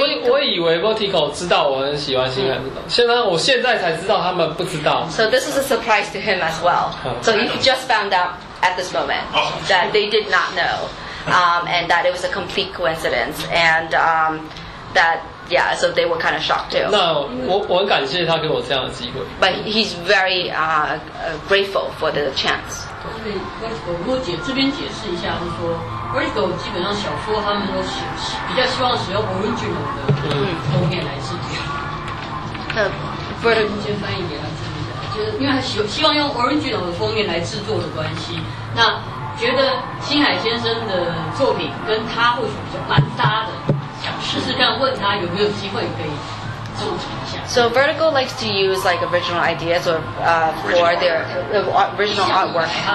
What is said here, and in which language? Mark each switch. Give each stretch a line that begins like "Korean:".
Chinese: 我以为 Vertigo 知道我很喜欢新海，现在我现在才知道他们不知道。
English: So this is a surprise to him as well. So he just found out at this moment that they did not know, and that it was a complete coincidence, and that. Yeah, so they were kind of shocked too.
Chinese: 那我很感谢他给我这样的机会。
English: But he's very grateful for the chance.
Chinese: 对，我这边解释一下，就是说，Vertigo基本上小说他们都比较希望使用Original的封面来制作。那，不然，先翻译给他听一下，就是因为希望用Original的封面来制作的关系，那觉得新海先生的作品跟他或许比较蛮搭的，想试试看问他有没有机会可以。
English: So Vertigo likes to use like original ideas or for their original artwork.